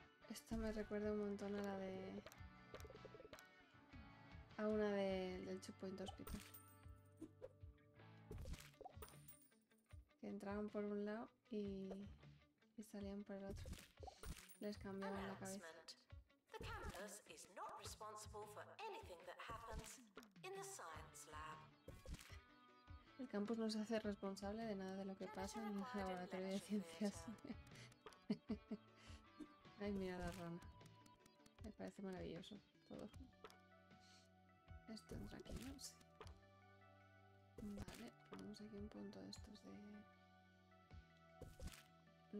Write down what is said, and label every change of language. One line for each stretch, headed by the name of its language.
Spanish: Esta me recuerda un montón a la de... A una de... del Two Point Hospital. Que entraban por un lado y salían por el otro. Les cambiaban la cabeza.
English: The campus is not responsible for anything that happens in the science lab.
Spanish: El campus no se hace responsable de nada de lo que pasa en el laboratorio de ciencias. Ay, mira la rana. Me parece maravilloso todo. Esto entra aquí, ¿no? Sí. Vale, ponemos aquí un punto de estos de...